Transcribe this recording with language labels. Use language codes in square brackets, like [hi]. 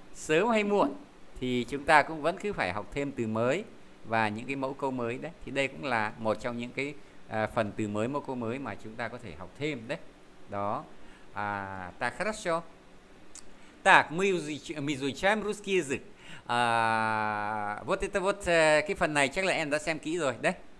[vi] Sớm hay muộn thì chúng ta cũng vẫn cứ phải học thêm từ mới và những cái mẫu câu mới đấy. Thì đây cũng là một trong những cái phần từ mới, mẫu câu mới mà chúng ta có thể học thêm đấy. [ru] Đó. Так, хорошо. Так, мы изучаем русский язык. Вот это вот [vi] cái phần này chắc là em đã xem kỹ rồi đấy.